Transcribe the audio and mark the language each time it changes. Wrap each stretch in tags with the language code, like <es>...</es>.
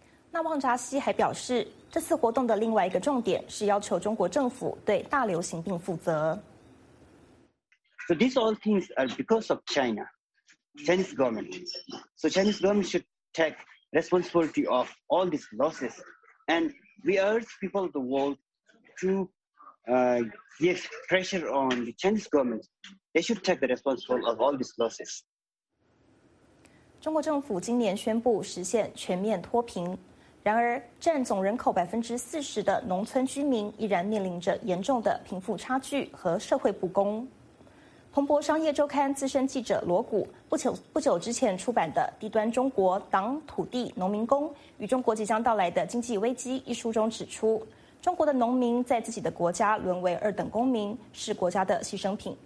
<zh>那旺扎西还表示，这次活动的另外一个重点是要求中国政府对大流行病负责。</zh> <en>So these all things are because of China, Chinese government. So Chinese government should take responsibility of all these losses. And we urge people of the world to give pressure on the Chinese government. They should take the responsibility of all these losses.</en> <zh>中国政府今年宣布实现全面脱贫。然而，占总人口40%的农村居民依然面临着严重的贫富差距和社会不公。彭博商业周刊资深记者罗谷不久之前出版的《低端中国：党、土地、农民工与中国即将到来的经济危机》一书中指出，中国的农民在自己的国家沦为二等公民，是国家的牺牲品。</zh>